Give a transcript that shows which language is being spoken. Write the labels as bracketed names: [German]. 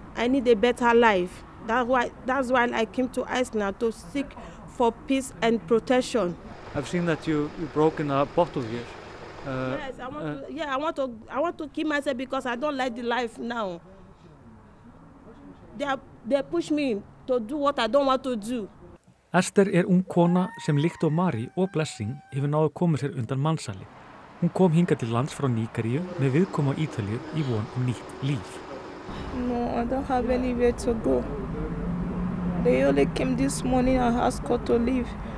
[English] I need a better life. That's why I came to Iceland, to seek for peace and protection. I've seen that you broke in a bottle here. I want to keep myself because I don't like the life now. They push me to do what I don't want to do. [Icelandic] Esther er ung kona sem líkt og Mari og Blessing hefur náðu komið sér undan mansali. Hún kom hingað til lands frá Nígeríu með viðkomu á Ítalíu í von um nýtt líf. [English] No, I don't have anywhere to go. They only came this morning and asked to leave.